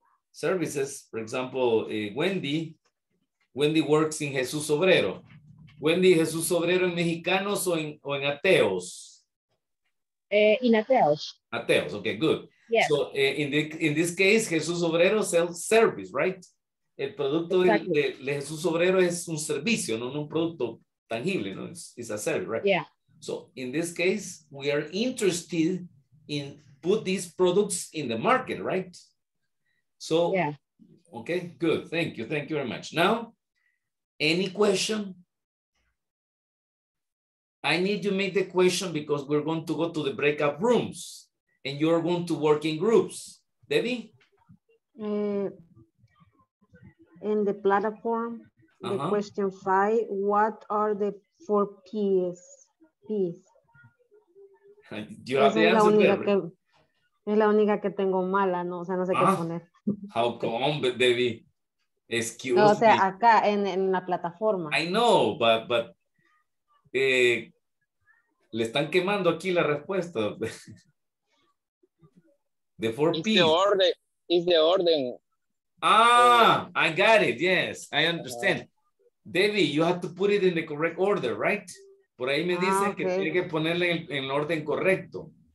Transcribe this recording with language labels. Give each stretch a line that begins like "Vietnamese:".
English: Services, for example, Wendy. Wendy works in Jesús Obrero.
Spanish: Wendy, Jesús Obrero en Mexicanos o en Ateos?
English: In Ateos. Ateos, okay, good. Yes. So in this case, Jesús Obrero sells service, right?
Spanish: El producto de Jesús Obrero es un servicio, no un producto tangible, no?
English: It's a service, right? Yeah. So in this case, we are interested in put these products in the market, right? So, yeah. Okay, good. Thank you. Thank you very much. Now, any question? I need to make the question because we're going to go to the breakout rooms. And you're going to work in groups. Debbie? In the platform, uh-huh. The question 5, what are the 4 P's? P's? You have the answer.
Spanish: Es la única que tengo mala, no, o sea, no sé qué poner.
English: How come, Debbie? Excuse me.
Spanish: O sea, acá, en la plataforma.
English: I know, but
Spanish: le están quemando aquí la respuesta.
English: The 4 P. It's the order. I got it. Yes, I understand. Debbie, you have to put it in the correct order, right?
Spanish: Por ahí me dicen okay. Que tiene que ponerle en el orden correcto.